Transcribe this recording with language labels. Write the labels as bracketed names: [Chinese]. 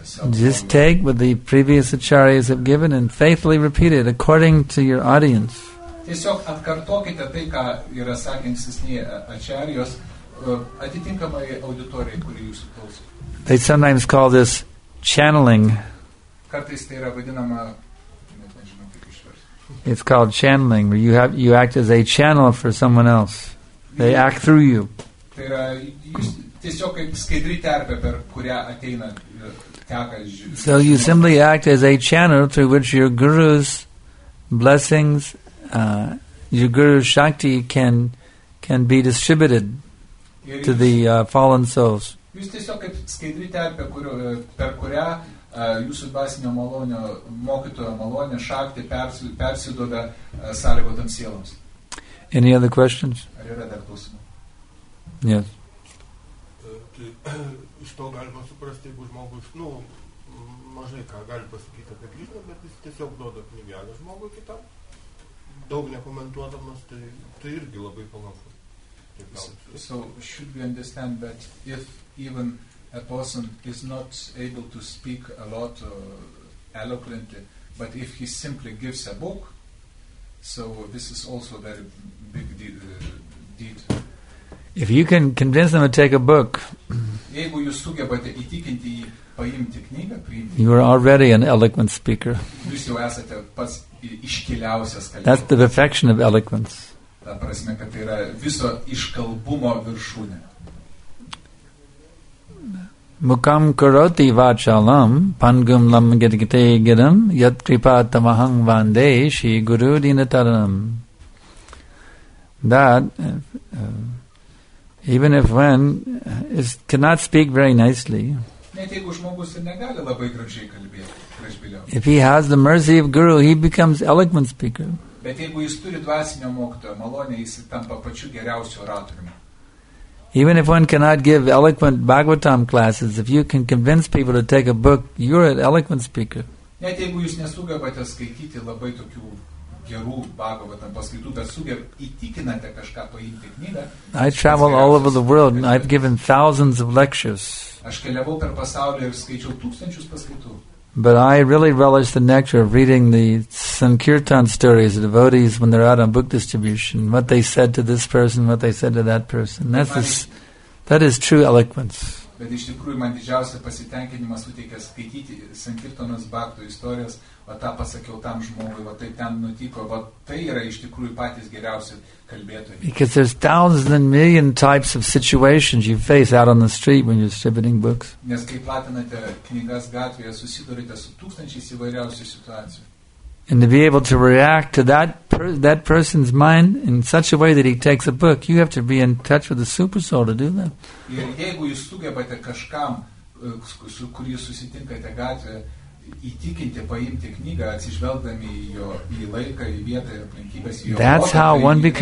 [English] Just take what the previous acharyas have given and faithfully repeat it according to your audience. [Lithuanian] Tiesiog atkartokite tai, ką yra sakę ankstesnėje acharijos, atitinkamai auditorijai, kuri jūsų klauso. [English] They sometimes call this channeling. [Lithuanian] Kartais tai yra vadinama, nežinau kaip išversti. [English] It's called channeling, where you act as a channel for someone else. They act through you. [Lithuanian] Tai yra tiesiog kaip skaidri terpė, per kurią ateina teka. [English] So you simply act as a channel through which your guru's blessings, your guru shakti can be distributed to the fallen souls. [Lithuanian] Jūs tiesiog kaip skaidri terpė, per kurią jūsų dvasinio malonio mokytojo malonė šakti persiduoda sąlygotam sieloms. [English] Any other questions? [Lithuanian] Ar yra dar klausimų? [English] Yes. [Lithuanian] Iš to galima suprasti, jeigu žmogus, nu, mažai ką gali pasakyti apie Krišną, bet jis tiesiog duoda knygelę žmogui kitam. Daug nekomentuodamas, tai irgi labai palanku. [English] So, should we understand that if even a person is not able to speak a lot eloquently, but if he simply gives a book, so this is also a very big deed. If you can convince them to take a book, [Lithuanian] jeigu jūs sugebate įtikinti jį paimti knygą, [English] you are already an eloquent speaker. [Lithuanian] Jūs jau esate pats iškiliausias kalbėtojas. [English] That's the perfection of eloquence. [Lithuanian] Ta prasme, kad tai yra viso iškalbumo viršūnė. [Sanskrit] Mukam karoti vachalam pangum lam gedgite giram yat kripa tamahang vande shi guru dinataram. [English] That even if one is cannot speak very nicely, if he has the mercy of guru, he becomes eloquent speaker. [Lithuanian] Bet jeigu jis turi dvasinio mokytojo malonę, jis tampa pačiu geriausiu oratoriumi. [English] Even if one cannot give eloquent Bhagavatam classes, if you can convince people to take a book, you're an eloquent speaker. [Lithuanian] Net jeigu jūs nesugebate skaityti labai tokių gerų Bhagavatam paskaitų, bet įtikinate kažką paimti knygą. [English] I travel all over the world and I've given thousands of lectures. [Lithuanian] Aš keliavau per pasaulį ir skaičiau tūkstančius paskaitų. [English] But I really relish the nectar of reading the Sankirtan stories of devotees when they're out on book distribution, what they said to this person, what they said to that person. That is true eloquence. [Lithuanian] Bet iš tikrųjų man didžiausia pasitenkinimas suteikia skaityti Sankirtanos bakto istorijas, o tą pasakiau tam žmogui, o tai ten nutiko, o tai yra iš tikrųjų patys geriausi kalbėtojai. [English] Because there's thousands and million types of situations you face out on the street when you're distributing books. [Lithuanian] Nes kai platinate knygas gatvėje, susidurite su tūkstančiais įvairiausių situacijų. [English] And to be able to react to that person's mind in such a way that he takes a book, you have to be in touch with the super soul to do that. [Lithuanian] Ir jeigu jūs sugebate kažkam, su kuriuo susitinkate gatvėje, įtikinti paimti knygą, atsižvelgdami į laiką, į vietą ir aplinkybes,